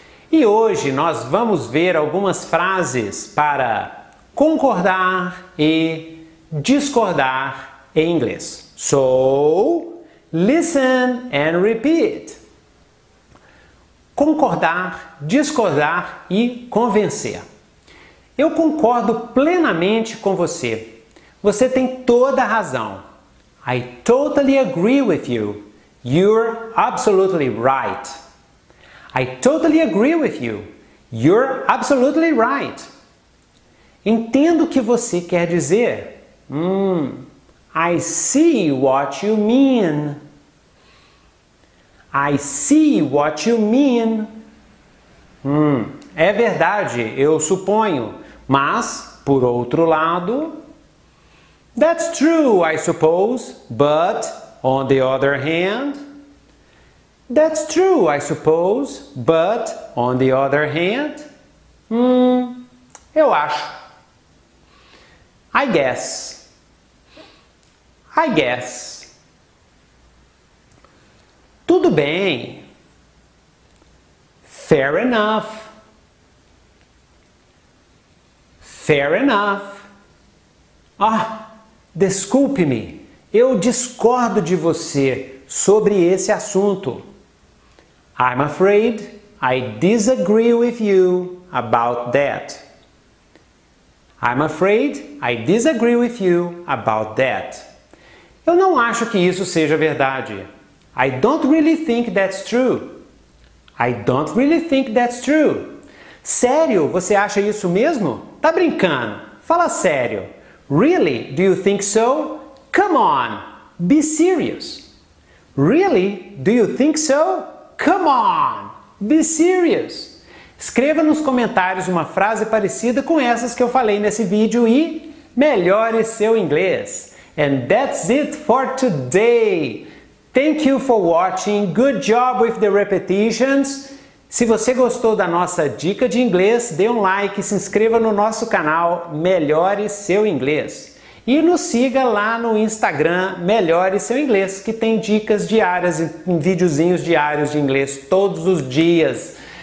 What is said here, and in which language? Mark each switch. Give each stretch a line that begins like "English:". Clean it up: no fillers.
Portuguese: E hoje nós vamos ver algumas frases para concordar e discordar em inglês.
English: So, listen and repeat.
Portuguese: Concordar, discordar e convencer. Eu concordo plenamente com você. Você tem toda a razão.
English: I totally agree with you. You're absolutely right. I totally agree with you. You're absolutely right.
Portuguese: Entendo o que você quer dizer.
English: I see what you mean. I see what you mean.
Portuguese: É verdade, eu suponho. Mas, por outro lado...
English: That's true, I suppose. But, on the other hand... That's true, I suppose. But, on the other hand...
Portuguese: Eu acho.
English: I guess. I guess.
Portuguese: Tudo bem.
English: Fair enough. Fair enough. Ah,
Portuguese: desculpe-me. Eu discordo de você sobre esse assunto.
English: I'm afraid I disagree with you about that. I'm afraid I disagree with you about that.
Portuguese: Eu não acho que isso seja verdade.
English: I don't really think that's true. I don't really think that's true.
Portuguese: Sério? Você acha isso mesmo? Tá brincando. Fala sério.
English: Really? Do you think so? Come on. Be serious. Really? Do you think so? Come on. Be serious.
Portuguese: Escreva nos comentários uma frase parecida com essas que eu falei nesse vídeo e melhore seu inglês.
English: And that's it for today. Thank you for watching. Good job with the repetitions.
Portuguese: Se você gostou da nossa dica de inglês, dê um like e se inscreva no nosso canal Melhore Seu Inglês. E nos siga lá no Instagram Melhore Seu Inglês, que tem dicas diárias, videozinhos diários de inglês todos os dias.